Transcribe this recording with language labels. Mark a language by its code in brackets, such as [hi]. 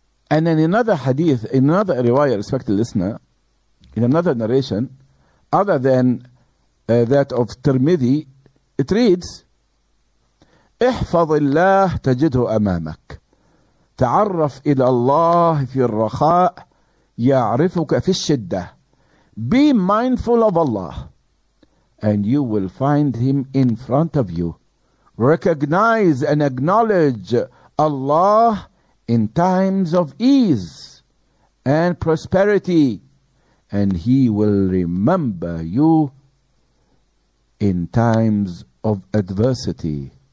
[en] And in another hadith, in another riwayah, respected listener, in another narration, other than that of Tirmidhi, it reads, [ar] احفظ الله تجده أمامك. تعرف إلى الله في الرخاء يعرفك في الشدة. [en] Be mindful of Allah, and you will find him in front of you. Recognize and acknowledge Allah in times of ease and prosperity, and he will remember you in times of adversity.